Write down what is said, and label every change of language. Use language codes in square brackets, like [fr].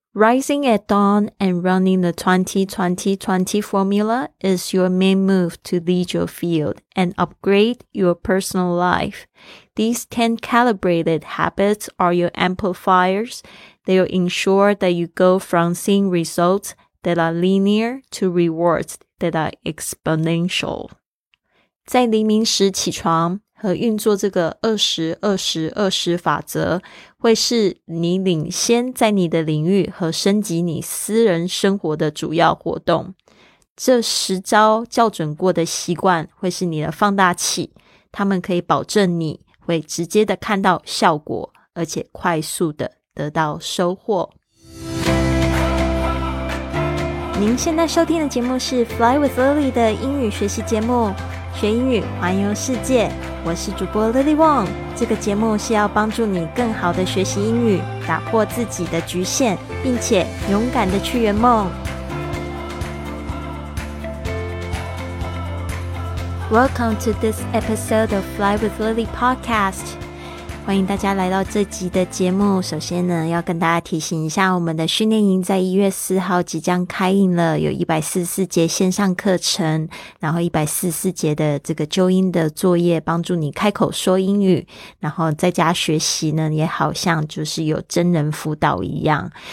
[en] Rising at dawn and running the 20-20-20 formula is your main move to lead your field and upgrade your personal life. These 10 calibrated habits are your amplifiers. They'll ensure that you go from seeing results that are linear to rewards that are exponential. [zh] 在黎明时起床和运作这个20-20-20法则，会是你领先在你的领域和升级你私人生活的主要活动。这十招校准过的习惯会是你的放大器，它们可以保证你会直接的看到效果，而且快速的得到收获。您现在收听的节目是 Fly with Lily 的英语学习节目，学英语环游世界，我是主播 Lily Wong。这个节目是要帮助你更好的学习英语，打破自己的局限，并且勇敢的去圆梦。 [en] Welcome to this episode of Fly with Lily podcast。 [zh] 欢迎大家来到这集的节目。首先呢，要跟大家提醒一下，我们的训练营在1月4号即将开营了，有144节线上课程，然后144节的这个纠音的作业，帮助你开口说英语，然后在家学习呢，也好像就是有真人辅导一样。